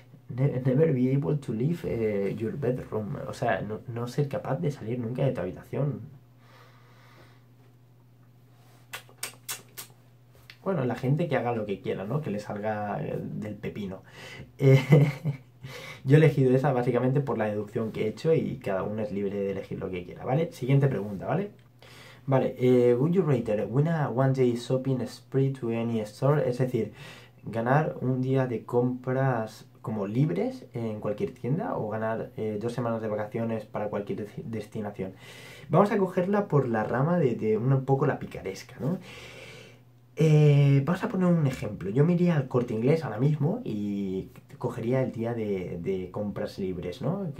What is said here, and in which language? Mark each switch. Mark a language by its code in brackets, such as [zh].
[en] Never be able to leave your bedroom. [es] O sea, no, no ser capaz de salir nunca de tu habitación. Bueno, la gente que haga lo que quiera, ¿no? Que le salga del pepino. Yo he elegido esa básicamente por la deducción que he hecho y cada uno es libre de elegir lo que quiera, ¿vale? Siguiente pregunta, ¿vale? Vale, [en] would you rather win a one day shopping spree to any store? [es] Es decir, ganar un día de compras como libres en cualquier tienda o ganar 2 semanas de vacaciones para cualquier destinación. Vamos a cogerla por la rama de un poco la picaresca, ¿no? Vamos a poner un ejemplo. Yo me iría al Corte Inglés ahora mismo y cogería el día de compras libres, ¿no?